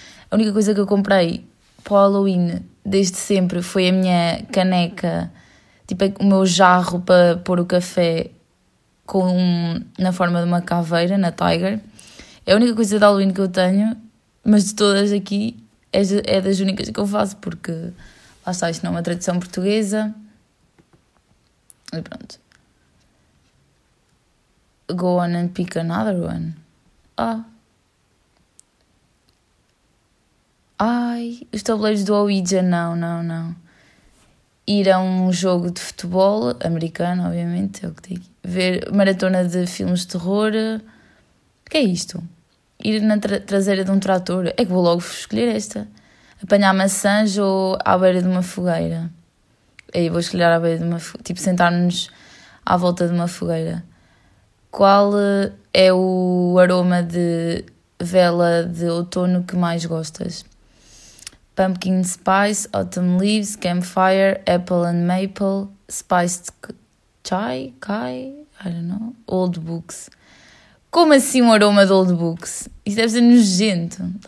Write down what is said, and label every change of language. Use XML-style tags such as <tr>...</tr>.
<pt>A única coisa que eu comprei para o Halloween desde sempre foi a minha caneca, tipo o meu jarro para pôr o café com, na forma de uma caveira, na Tiger. É a única coisa de Halloween que eu tenho, mas de todas aqui é das únicas que eu faço, porque lá está, isto não é uma tradição portuguesa. E pronto.</pt> <en>Go on and pick another one. Oh.</en> <pt>Ai, os tabuleiros do Ouija, não, não, não. Ir a um jogo de futebol americano, obviamente, é o que digo. Ver maratona de filmes de terror. O que é isto? Ir na traseira de um trator. É que vou logo escolher esta. Apanhar maçãs ou à beira de uma fogueira. Aí vou escolher à beira de uma fogueira. Tipo, sentar-nos à volta de uma fogueira. Qual é o aroma de vela de outono que mais gostas?</pt> <en>Pumpkin spice, autumn leaves, campfire, apple and maple, spiced chai, kai, I don't know, old books.</en> <pt>Como assim um aroma de old books? Isso deve ser nojento.</pt>